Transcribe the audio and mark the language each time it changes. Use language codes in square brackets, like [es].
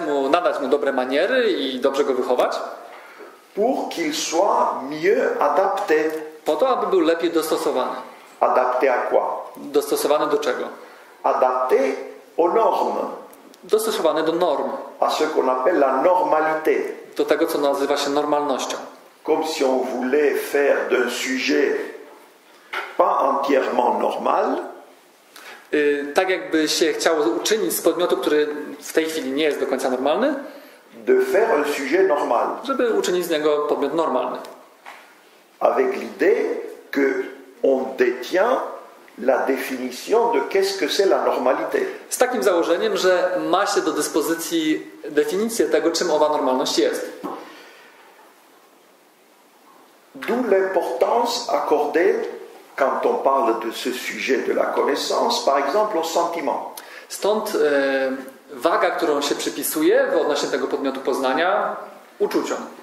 [pl] Nadać mu dobre maniery i dobrze go wychować. [fr] Pour qu'il soit mieux adapté. [pl] Po to, aby był lepiej dostosowany. [fr] Adapté à quoi? [pl] Dostosowany do czego? [fr] Adapté aux normes. [pl] Dostosowany do norm. [fr] À ce qu'on appelle la normalité. [pl] Do tego, co nazywa się normalnością. [fr] Comme si on voulait faire d'un sujet pas entièrement normal. [pl] Tak jakby się chciało uczynić z podmiotu, który w tej chwili nie jest do końca normalny, [fr] de faire un sujet normal. [pl] Żeby uczynić z niego podmiot normalny. [fr] Avec l'idée que on détient la définition de qu'est-ce que c'est la normalité. [pl] Z takim założeniem, że ma się do dyspozycji definicję tego, czym owa normalność jest. [fr] D'où l'importance accordée quand on parle de ce sujet de la connaissance, par exemple, au sentiment. [pl] Stąd waga, którą się przypisuje w odnośnie tego podmiotu poznania, uczuciom.